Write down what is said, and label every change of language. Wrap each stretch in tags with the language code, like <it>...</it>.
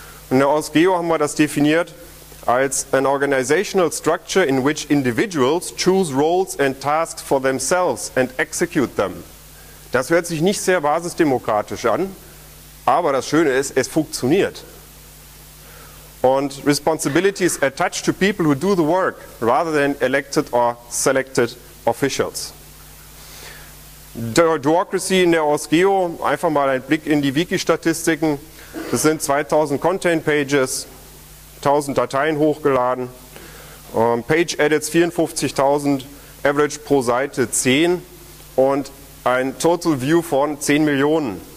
<de>In der OSGEO haben wir das definiert als</de> <en>an organizational structure in which individuals choose roles and tasks for themselves and execute them.</en> <de>Das hört sich nicht sehr basisdemokratisch an, aber das Schöne ist, es funktioniert. Und</de> <en>responsibility is attached to people who do the work rather than elected or selected officials.</en> <de>Duocracy in der OSGEO, einfach mal ein Blick in die Wiki-Statistiken. Das sind 2000 Content-Pages, 1000 Dateien hochgeladen, Page-Edits 54.000, Average pro Seite 10 und ein Total View von 10 Millionen.</de>